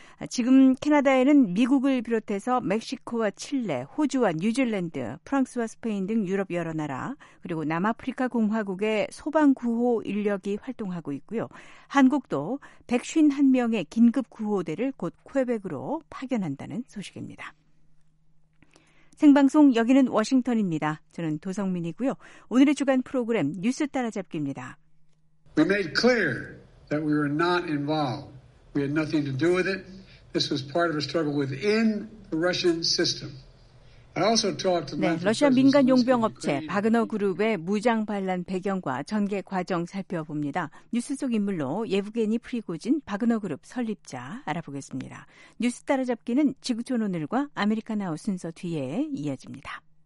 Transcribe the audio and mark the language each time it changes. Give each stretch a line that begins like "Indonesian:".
Korean: 지금 캐나다에는 미국을 비롯해서 멕시코와 칠레, 호주와 뉴질랜드, 프랑스와 스페인 등 유럽 여러 나라, 그리고 남아프리카 공화국의 소방구호 인력이 활동하고 있고요. 한국도 151명의 긴급구호대를 곧 퀘벡으로 파견한다는 소식입니다. 생방송 여기는 워싱턴입니다. 저는 도성민이고요. 오늘의 주간 프로그램 뉴스 따라잡기입니다.
English: We made clear that we were not involved. We had nothing to do with it. This was part of a struggle within the Russian system. I also talked to
Korean: 네, 러시아 민간 용병 업체 바그너 그룹의 무장 반란 배경과 전개 과정 살펴봅니다. 뉴스 속 인물로 예브게니 프리고진 바그너 그룹 설립자 알아보겠습니다. 뉴스 따라잡기는 지구촌 오늘과 아메리카나우 순서 뒤에 이어집니다.